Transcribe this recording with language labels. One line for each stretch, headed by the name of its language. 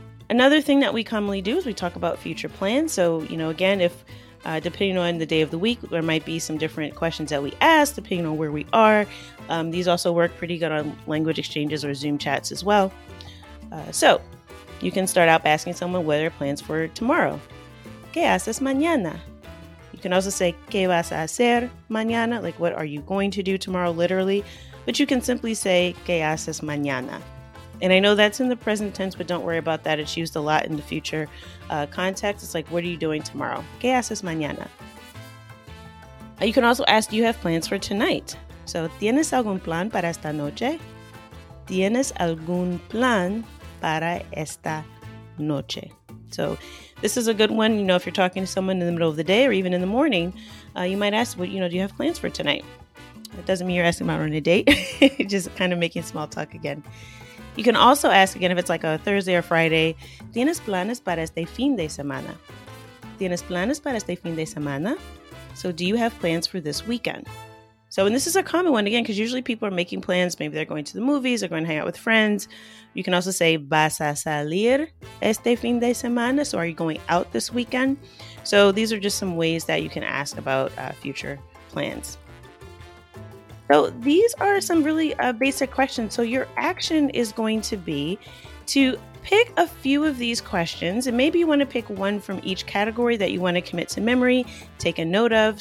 English: Another thing that we commonly do is we talk about future plans. So, you know, again, if Depending on the day of the week, there might be some different questions that we ask depending on where we are. These also work pretty good on language exchanges or Zoom chats as well. So you can start out by asking someone what their plans for tomorrow.
Spanish: ¿Qué haces mañana?
English: You can also say
Spanish: ¿Qué vas a hacer mañana?
English: Like, what are you going to do tomorrow, literally. But you can simply say
Spanish: ¿Qué haces mañana?
English: And I know that's in the present tense, but don't worry about that. It's used a lot in the future context. It's like, what are you doing tomorrow?
Spanish: ¿Qué haces mañana?
English: You can also ask, do you have plans for tonight?
Spanish: So, ¿Tienes algún plan para esta noche? ¿Tienes algún plan para esta noche?
English: So, this is a good one. You know, if you're talking to someone in the middle of the day or even in the morning, you might ask, well, you know, do you have plans for tonight? That doesn't mean you're asking about on a date. Just kind of making small talk again. You can also ask again if it's like a Thursday or Friday.
Spanish: ¿Tienes planes para este fin de semana? ¿Tienes planes para este fin de semana?
English: So do you have plans for this weekend? So, and this is a common one again, because usually people are making plans. Maybe they're going to the movies or going to hang out with friends. You can also say
Spanish: ¿Vas a salir este fin de semana?
English: So are you going out this weekend? So these are just some ways that you can ask about future plans. So these are some really basic questions. So your action is going to be to pick a few of these questions, and maybe you want to pick one from each category that you want to commit to memory, take a note of.